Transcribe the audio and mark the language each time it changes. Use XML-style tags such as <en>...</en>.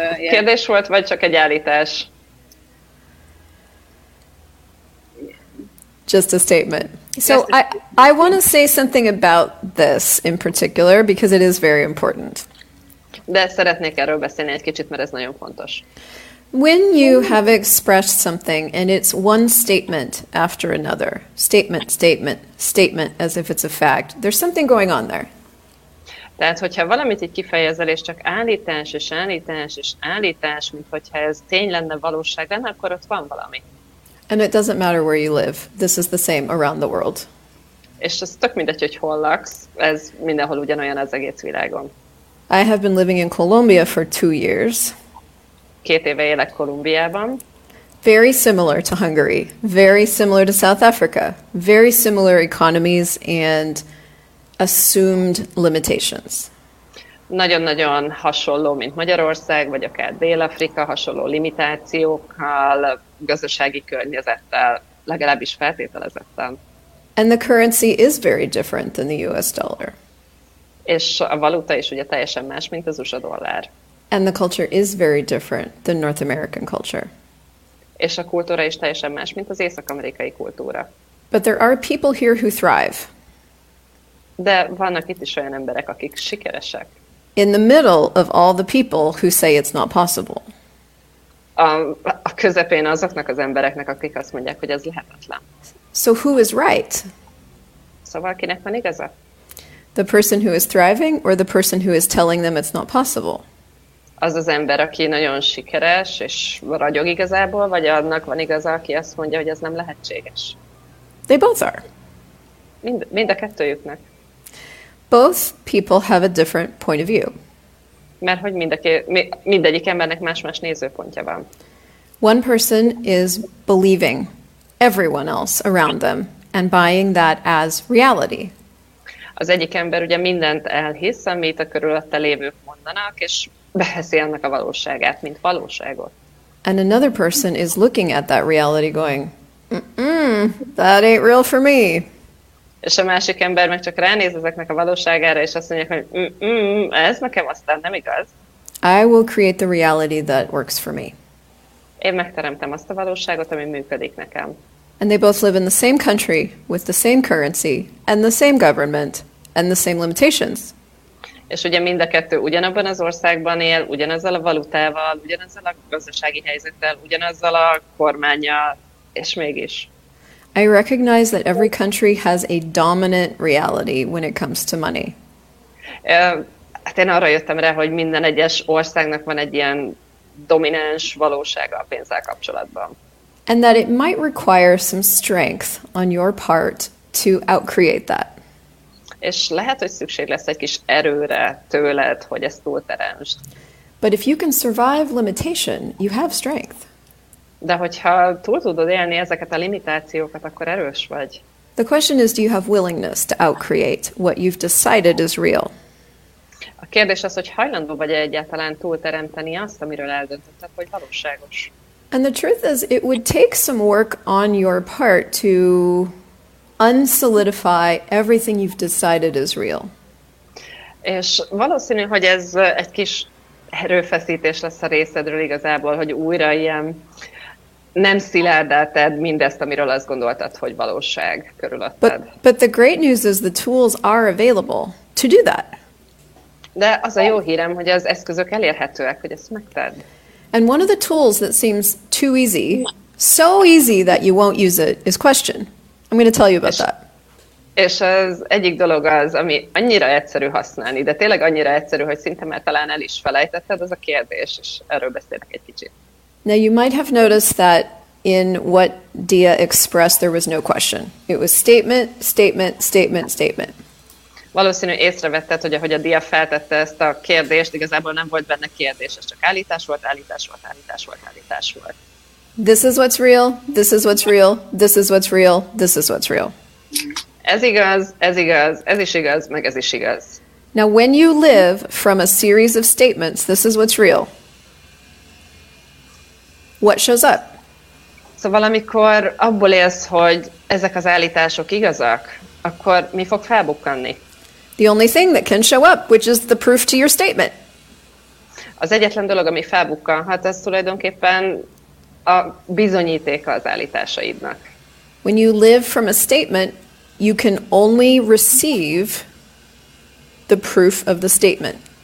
<hu>Kérdés volt, vagy csak egy állítás?</hu> <en>Just a statement. So I want to say something about this in particular because it is very important.</en> <hu>De szeretnék erről beszélni egy kicsit, mert ez nagyon fontos.</hu> <en>When you have expressed something and it's one statement after another, statement, statement, statement, as if it's a fact, there's something going on there.</en> <hu>Tehát, hogyha valamit így kifejezel, és csak állítás, és állítás, és állítás, mint hogyha ez tény lenne, valóság lenne, akkor ott van valami.</hu> <en>And it doesn't matter where you live. This is the same around the world.</en> <hu>És ez tök mindegy, hogy hol laksz. Ez mindenhol ugyanolyan az egész világon.</hu> <en>I have been living in Colombia for 2 years.</en> <hu>2 éve élek Kolumbiában.</hu> <en>Very similar to Hungary. Very similar to South Africa. Very similar economies and assumed limitations.</en> <hu>Nagyon-nagyon hasonló, mint Magyarország, vagy akár Dél-Afrika, hasonló limitációkkal, gazdasági környezettel, legalábbis feltételezettel.</hu> <en>And the currency is very different than the US dollar.</en> <hu>És a valuta is ugye teljesen más, mint az USA dollár.</hu> <en>And the culture is very different than North American culture.</en> <hu>És a kultúra is teljesen más, mint az észak-amerikai kultúra.</hu> <en>But there are people here who thrive.</en> <hu>De vannak itt is olyan emberek, akik sikeresek.</hu> <en>In the middle of all the people who say it's not possible.</en> <hu>A közepén azoknak az embereknek, akik azt mondják, hogy ez lehetetlen.</hu> <en>So who is right?</en> <hu>Szóval kinek van igaza?</hu> <en>The person who is thriving or the person who is telling them it's not possible?</en> <hu>Az az ember, aki nagyon sikeres és ragyog igazából, vagy annak van igaza, aki azt mondja, hogy ez nem lehetséges?</hu> <en>They both are.</en> <hu>Mind a kettőjüknek.</hu> <en>Both people have a different point of view.</en> <hu>Mert hogy mindegyik embernek más-más nézőpontja van.</hu> <en>One person is believing everyone else around them and buying that as reality.</en> <hu>Az egyik ember ugye mindent elhisz, amit a körülötte lévők mondanak, és beheszi ennek a valóságát, mint valóságot.</hu> <en>And another person is looking at that reality going, that ain't real for me.</en> <hu>És a másik ember meg csak ránéz ezeknek a valóságára, és azt mondja, hogy ez nekem aztán nem igaz.</hu> <en>I will create the reality that works for me.</en> <hu>Én megteremtem azt a valóságot, ami működik nekem.</hu> <en>And they both live in the same country, with the same currency, and the same government, and the same limitations.</en> <hu>és ugye mind a kettő ugyanabban az országban él, ugyanezzel a valutával, ugyanezzel a gazdasági helyzettel, ugyanezzel a kormánnyal, és mégis.</hu> <en>I recognize that every country has a dominant reality when it comes to money.</en> <hu>Hát én arra jöttem rá, hogy minden egyes országnak van egy ilyen domináns valósága a pénzzel kapcsolatban.</hu> <en>And that it might require some strength on your part to outcreate that.</en> <hu>És lehet, hogy szükség lesz egy kis erőre tőled, hogy ezt túlteremtsd.</hu> <en>But if you can survive limitation, you have strength.</en> <hu>De hogyha túl tudod élni ezeket a limitációkat, akkor erős vagy.</hu> <en>The question is, do you have willingness to outcreate what you've decided is real?</en> <hu>A kérdés az, hogy hajlandó vagy egyáltalán túlteremteni azt, amiről eldöntötted, hogy valóságos.</hu> <en>And the truth is, it would take some work on your part to unsolidify everything you've decided is real.</en> <hu>És valószínű, hogy ez egy kis erőfeszítés lesz a részedről igazából, hogy újra ilyen nem szilárdáltad mindezt, amiről azt gondoltad, hogy valóság körülötted.</hu> <en>But the great news is the tools are available to do that.</en> <hu>De az a jó hírem, hogy az eszközök elérhetőek, hogy ezt megtedd.</hu> <en>And one of the tools that seems too easy, so easy that you won't use it, is question. I'm going to tell you about that.</en> <hu>És az egyik dolog az, ami annyira egyszerű használni, de tényleg annyira egyszerű, hogy szinte már talán el is felejtetted, az a kérdés, és erről beszélek egy kicsit.</hu> <en>Now you might have noticed that in what Dia expressed there was no question. It was statement, statement, statement, statement.</en> <hu>Valószínű észrevetted, hogy ahogy a Dia feltette ezt a kérdést, igazából nem volt benne kérdés, ez csak állítás volt, állítás volt, állítás volt, állítás volt.</hu> <en>This is what's real, this is what's real, this is what's real, this is what's real.</en> <hu>Ez igaz, ez igaz, ez is igaz, meg ez is igaz.</hu> <en>Now when you live from a series of statements, this is what's real, what shows up?</en> <hu>Szóval amikor abból élsz, hogy ezek az állítások igazak, akkor mi fog felbukkanni?</hu> <en>The only thing that can show up, which is the proof to your statement.</en> <hu>Az egyetlen dolog, ami felbukkanhat, az tulajdonképpen a bizonyítéka az állításaidnak.</hu> <en>When you live from a statement, you can only receive the proof of the statement.</en>